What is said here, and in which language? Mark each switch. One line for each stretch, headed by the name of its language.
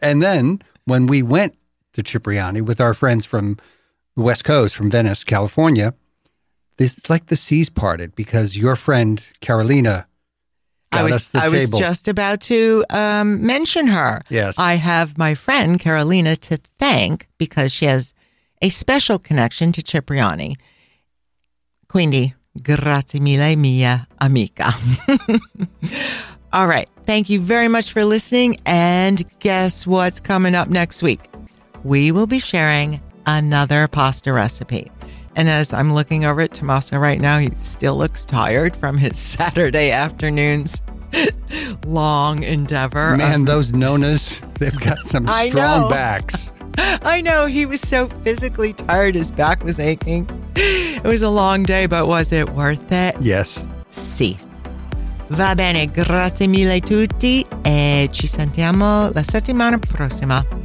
English: And then when we went to Cipriani with our friends from the West Coast, from Venice, California, it's like the seas parted because your friend, Carolina, I was just about to mention her. Yes. I have my friend Carolina to thank because she has a special connection to Cipriani.
Italian: Quindi, grazie mille, mia amica.
English: All right. Thank you very much for listening. And guess what's coming up next week? We will be sharing another pasta recipe. And as I'm looking over at Tommaso right now, he still looks tired from his Saturday afternoon's long endeavor. Man, those Nonas, they've got some strong backs. I know. He was so physically tired. His back was aching. It was a long day, but was it worth it? Yes.
Italian: Sì. Va bene. Grazie mille a tutti. E ci sentiamo la settimana prossima.